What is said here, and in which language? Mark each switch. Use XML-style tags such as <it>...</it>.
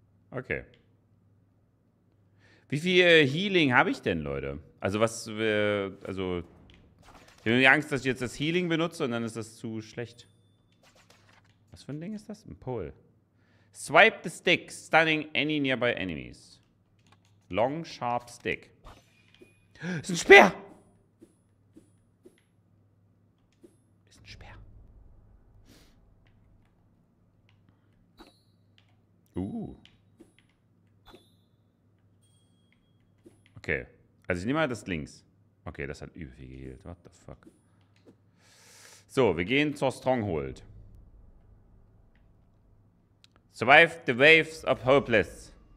<de>Okay. Wie viel Healing habe ich denn, Leute? Also was, also... Ich habe Angst, dass ich jetzt das Healing benutze und dann ist das zu schlecht. Was für ein Ding ist das? Ein Pull.</de> <en>Swipe the stick, stunning any nearby enemies. Long, sharp stick.</en> <de>Ist ein Speer! Ist ein Speer. Okay. Also ich nehme mal das links. Okay, das hat übel viel geheilt.</de> <en>What the fuck?</en> <de>So, wir gehen zur Stronghold.</de> <en>Survive the waves of hopeless.</en>